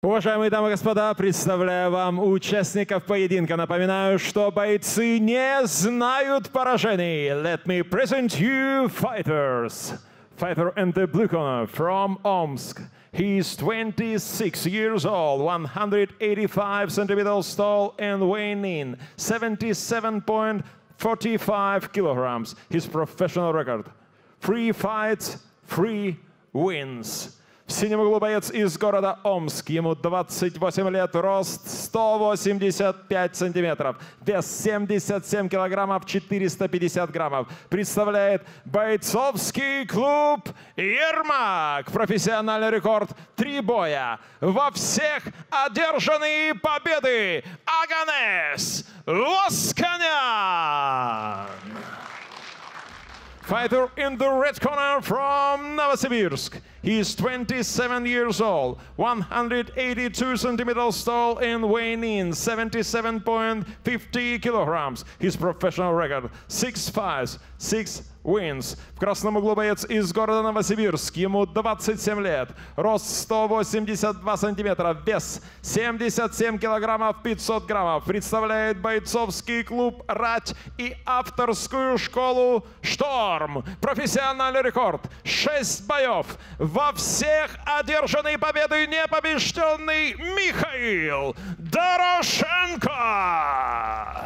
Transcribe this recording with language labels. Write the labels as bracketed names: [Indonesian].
[Russian] Уважаемые дамы и господа, представляю вам участников поединка. Напоминаю, что бойцы не знают поражений. [English] Let me present you fighters. Fighter in the blue corner from Omsk. He is 26 years old, 185 centimeters tall and weighing in 77.45 kilograms. His professional record. Three fights, three wins. [Russian] В синем углу боец из города Омск. Ему 28 лет, рост 185 сантиметров, вес 77 килограммов, 450 граммов. Представляет бойцовский клуб «Ермак». Профессиональный рекорд – 3 боя. Во всех одержанные победы – Аганес Лосканян! [English] Fighter in the red corner from Novosibirsk. He is 27 years old, 182 centimeters tall and weighing in 77.50 kilograms. His professional record, 6 fights, 6 wins. [Russian] В красном углу боец из города Новосибирск. Ему 27 лет, рост 182 сантиметра, вес 77 килограммов 500 граммов. Представляет бойцовский клуб «Рать» и авторскую школу «Шторм». Профессиональный рекорд – 6 боев. Во всех одержанные победы непобежденный Михаил Дорошенко!